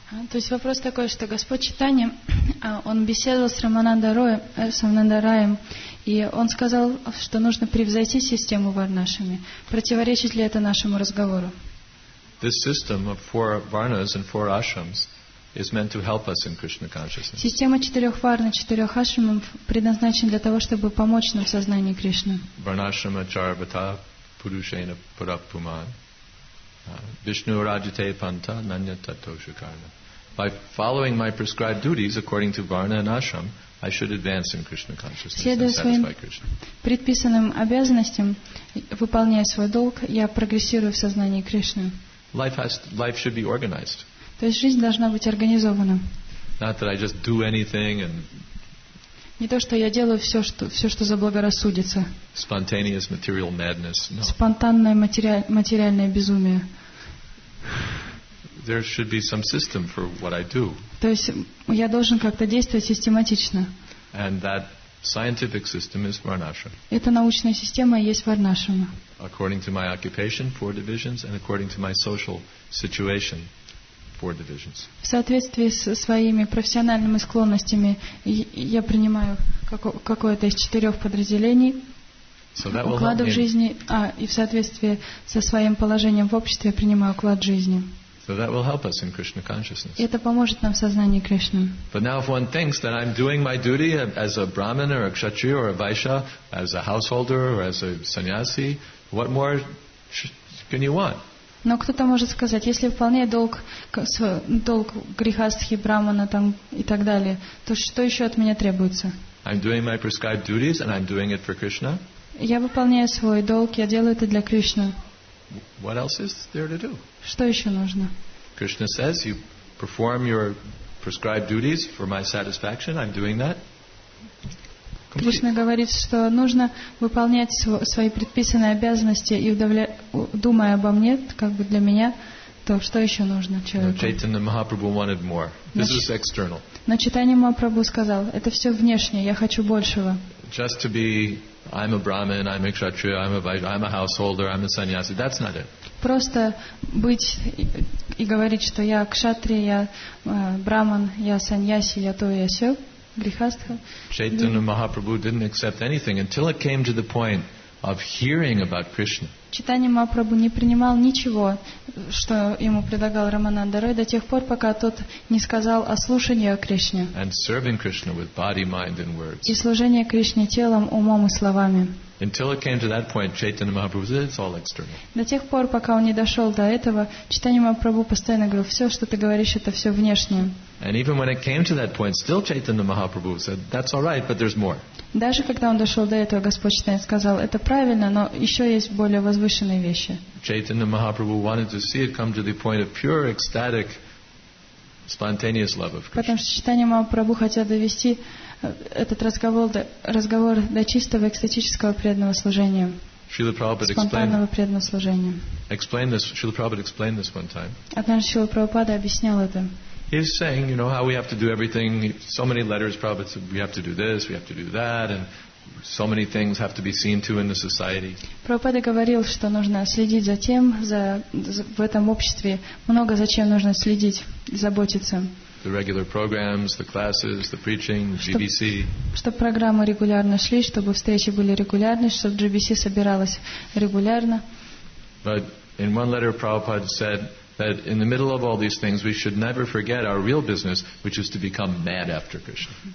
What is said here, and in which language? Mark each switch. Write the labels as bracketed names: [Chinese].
[Russian] То есть вопрос такой, что Господь Чайтанья, он беседовал с Рамананда Раем, и он сказал, что нужно превзойти систему варнашами. Противоречит ли это нашему разговору? [English] This system of four varnas and four ashrams is meant to help us in Krishna consciousness. [Russian] Система четырех варн и четырех ашрамов предназначена для того, чтобы помочь нам в сознании Кришны. [Sanskrit] Varnashrama charvata purushena parapuman. Vishnu rajate panta nanya tatosha karna. [English] By following my prescribed duties according to varna and ashram, I should advance in Krishna consciousness. [Russian] Следуя своим предписанным обязанностям, выполняя свой долг, я прогрессирую в сознании Кришны. [English] Life should be organized. [Russian] То есть жизнь должна быть организована. [English] Not that I just do anything and. [Russian] Не то, что я делаю все, что заблагорассудится. [English] Spontaneous material madness. No. [Russian] Спонтанное материальное безумие. [English] There should be some system for what I do. [Russian] То есть я должен как-то действовать систематично. [English] And that scientific system is Varnashrama. [Russian] Эта научная система есть Варнашрама. [English] According to my occupation, four divisions, and according to my social situation. Four divisions. [Russian] В соответствии со своими профессиональными склонностями я принимаю какое-то из четырех подразделений, уклад в жизни, и в соответствии со своим положением в обществе я принимаю уклад жизни. [English] So that will help us in Krishna consciousness. [Russian] Это поможет нам в сознании Кришны. [English] But now, if one thinks that I'm doing my duty as a Brahmin or a Kshatriya or a Vaishya, as a householder or as a sannyasi, what more can you want? [Russian] Но кто-то может сказать, если выполняю долг грихастхи, брамана там, и так далее, то что еще от меня требуется? [English] I'm doing my prescribed duties and I'm doing it for Krishna. [Russian] Я выполняю свой долг, я делаю это для Кришны. [English] What else is there to do? [Russian] Что еще нужно? [English] Krishna says, you perform your prescribed duties for my satisfaction, I'm doing that. [Russian] Кришна говорит, что нужно выполнять свои предписанные обязанности и думая обо мне, как бы для меня, то что еще нужно человеку? [English] Chaitanya Mahaprabhu wanted more. This is external. [Russian] Но Чайтанья Махапрабху сказал, это все внешнее, я хочу большего. [English] Just to be, I'm a Brahmin, I'm a Kshatriya, I'm a householder, I'm a sannyasi, that's not it. [Russian] Просто быть и говорить, что я Кшатрия, я Браман, я Саньяси, я то, я сё. [English] Chaitanya Mahaprabhu didn't accept anything until it came to the point of hearing about Krishna. [Russian] Chaitanya Mahaprabhu не принимал ничего, что ему предлагал Рамананда Рой, до тех пор, пока тот не сказал о слушании о Кришне. [English] And serving Krishna with body, mind, and words. [Russian] И служение Кришне телом, умом и словами. [English] Until it came to that point, Chaitanya Mahaprabhu said, "It's all external." [Russian] До тех пор, пока он не дошел до этого, Чайтанья Махапрабху постоянно говорил: "Все, что ты говоришь, это все внешнее." [English] And even when it came to that point, still Chaitanya Mahaprabhu said, "That's all right, but there's more." [Russian] Даже когда он дошел до этого, Господь Чайтанья сказал: "Это правильно, но еще есть более возвышенные вещи." [English] Chaitanya Mahaprabhu wanted to see it come to the point of pure ecstatic, spontaneous love of Krishna. [Russian] Потому что Чайтанья Махапрабху хотел довести этот разговор до чистого экстатического преданного служения. Спонтанного преданного служения. [English] Srila Prabhupada explained this one time. [Russian] Однажды Srila Prabhupada объяснял это. [English] He's saying, you know, how we have to do everything. So many letters, Prabhupada said, we have to do this, we have to do that, and so many things have to be seen to in the society. [Russian] Прабхупада говорил, что нужно следить за тем, в этом обществе много зачем нужно следить, заботиться. [English] The regular programs, the classes, the preaching, GBC. [Russian] Чтобы программы регулярно шли, чтобы встречи были регулярны, чтобы GBC собиралась регулярно. [English] But in one letter, Prabhupada said that in the middle of all these things, we should never forget our real business, which is to become mad after Krishna.